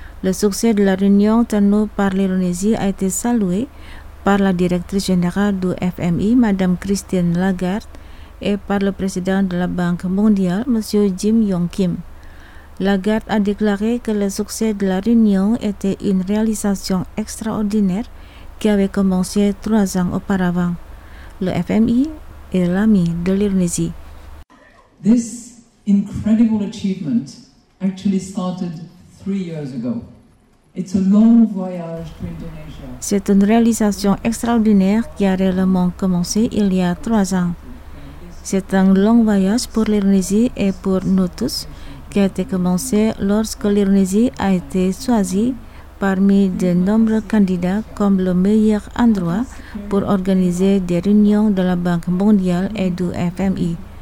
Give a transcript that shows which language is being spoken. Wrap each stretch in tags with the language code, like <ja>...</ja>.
<fr>Le succès de la réunion tenue par l'Indonésie a été salué par la directrice générale du FMI, Mme Christine Lagarde, et par le président de la Banque mondiale, M. Jim Yong Kim. Lagarde a déclaré que le succès de la réunion était une réalisation extraordinaire qui avait commencé 3 ans auparavant. Le FMI est l'ami de l'Indonésie.</fr> <en>This incredible achievement actually started 3 years ago. It's a long voyage to Indonesia.</en> <fr>C'est une réalisation extraordinaire qui a réellement commencé il y a 3 ans. C'est un long voyage pour l'Indonésie et pour nous tous qui a été commencé lorsque l'Indonésie a été choisie parmi de nombreux candidats comme le meilleur endroit pour organiser des réunions de la Banque mondiale et du FMI.</fr>